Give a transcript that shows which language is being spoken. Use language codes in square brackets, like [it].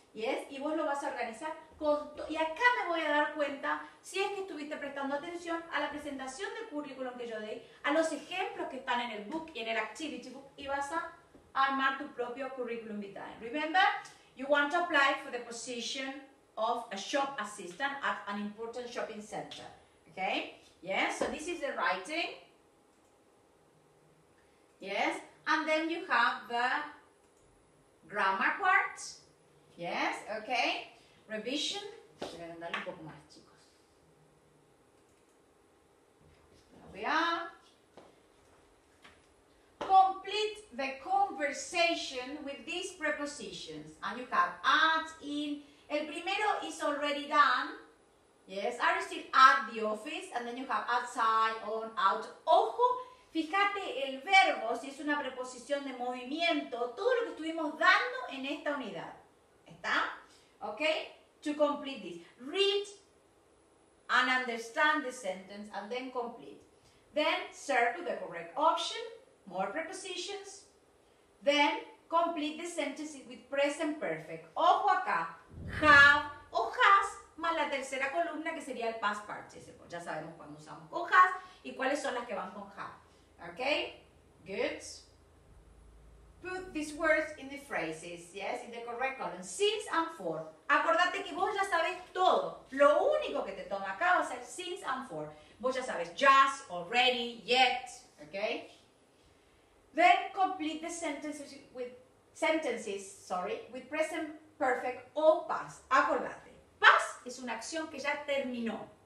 [es] Yes, y vos lo vas a organizar con y acá me voy a dar cuenta si es que estuviste prestando atención a la presentación del currículum que yo di, a los ejemplos que están en el book y en el activity book, y vas a armar tu propio curriculum vitae. [en] Remember, you want to apply for the position of a shop assistant at an important shopping center. Okay? Yes, so this is the writing. Yes, and then you have the grammar part. Yes, okay. Revision. [es] Voy a agrandarle un poco más, chicos. [en] There we are. Complete the conversation with these prepositions. And you have at, in. [es] El primero [en] is already done. Yes, are you still at the office? And then you have outside, on, out. [es] Ojo, fíjate el verbo, si es una preposición de movimiento, todo lo que estuvimos dando en esta unidad. [en] Okay, to complete this, read and understand the sentence and then complete. Then circle the correct option, more prepositions. Then complete the sentence with present perfect. [es] Ojo acá, have o has más la tercera columna que sería el past participle. Ya sabemos cuando usamos con has y cuáles son las que van con have. [en] Okay, good. Put these words in the phrases, yes, in the correct column, since and for. [es] Acordate que vos ya sabes todo. Lo único que te toma acá va a ser since and for. Vos ya sabes just, already, yet, okay? [en] Then complete the sentences with present perfect or past. [es] Acordate, past es una acción que ya terminó.